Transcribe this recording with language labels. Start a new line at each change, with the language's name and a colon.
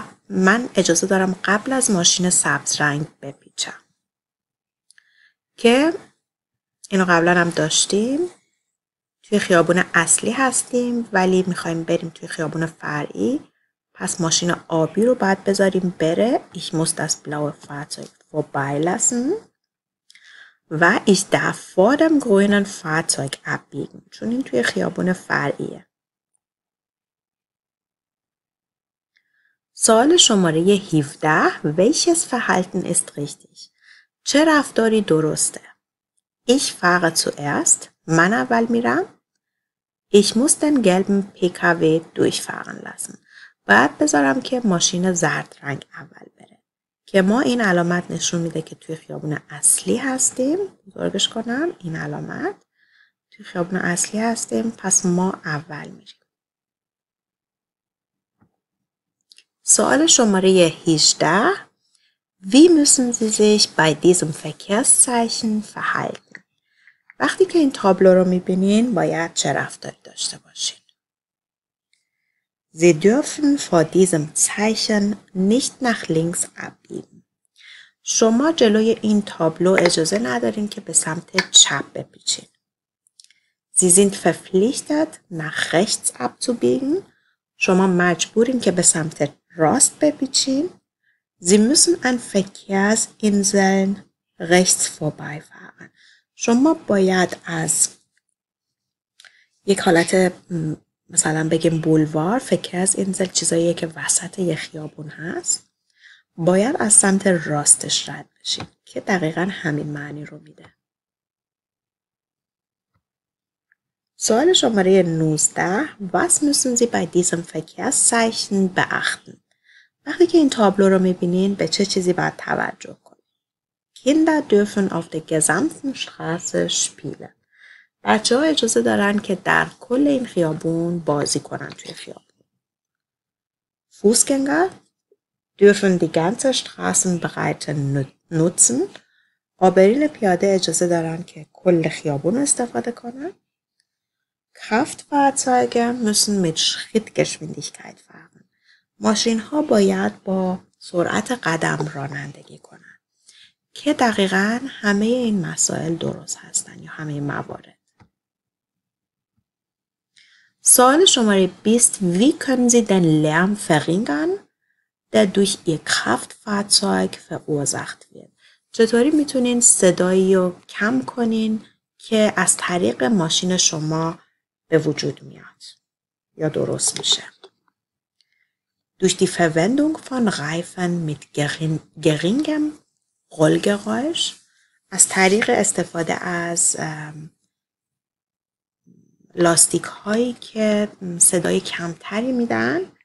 Persian: من اجازه دارم قبل از ماشین سبز رنگ بپیچم. که اینو قبلا هم داشتیم. توی خیابون اصلی هستیم ولی میخواییم بریم توی خیابون فرعی. پس ماشین آبی رو باید بذاریم بره.
German: Ich muss das blaue Fahrzeug vorbeilassen. و ich darf vor dem grünen Fahrzeug abbiegen.
Persian: چون این توی خیابون فرعیه. سوال شماره 17.
German: Welches Verhalten ist richtig?
Persian: چه رفتاری درسته؟
German: Ich fahre zuerst.
Persian: من اول میرم.
German: Ich muss den gelben PKW durchfahren lassen.
Persian: باید بذارم که ماشین زرد رنگ اول بره. که ما این علامت نشون میده که توی خیابون اصلی هستیم. بزرگش کنم این علامت. توی خیابون اصلی هستیم. پس ما اول میریم. سوال شماره 18.
German: Wie müssen Sie sich bei diesem Verkehrszeichen verhalten?
Persian: وقتی که این تابلو رو میبینین باید چه رفتاری داشته باشین؟
German: Sie dürfen vor diesem Zeichen nicht nach links abbiegen.
Persian: شما جلوی این تابلو اجازه ندارین که به سمت چپ بپیچین.
German: Sie sind verpflichtet, nach rechts abzubiegen.
Persian: شما مجبورین که به سمت راست بپیچین.
German: Sie müssen an Verkehrsinseln rechts vorbeifahren.
Persian: شما باید از یک حالت مثلا بگیم بولوار، فکرسینسل چیزایی که وسط یه خیابون هست، باید از سمت راستش رد بشید که دقیقا همین معنی رو میده. سوال شماره 19.
German: Was müssen Sie bei diesem Verkehrszeichen beachten?
Persian: وقتی که این تابلو رو میبینین به چه چیزی باید توجه کنید؟
German: Kinder dürfen auf der gesamten Straße spielen.
Persian: بچه ها اجازه دارن که در کل این خیابون بازی کنن توی خیابون.
German: Fußgänger dürfen die ganze Straßenbreite nutzen.
Persian: عابرین پیاده اجازه دارن که کل خیابون استفاده کنن.
German: Kraftfahrzeuge müssen mit Schrittgeschwindigkeit fahren.
Persian: ماشین ها باید با سرعت قدم رانندگی کنند که دقیقا همه این مسائل درست هستند یا همه موارد. سوال شماره 20.
German: Wie können Sie den Lärm verringern, der durch Ihr Kraftfahrzeug verursacht wird?
Persian: چطوری میتونین صدایی رو کم کنین که از طریق ماشین شما به وجود میاد یا درست میشه؟
German: Durch die Verwendung von Reifen mit geringem Rollgeräusch,
Persian: از طریق استفاده از لاستیک هایی که صدای کمتری میدن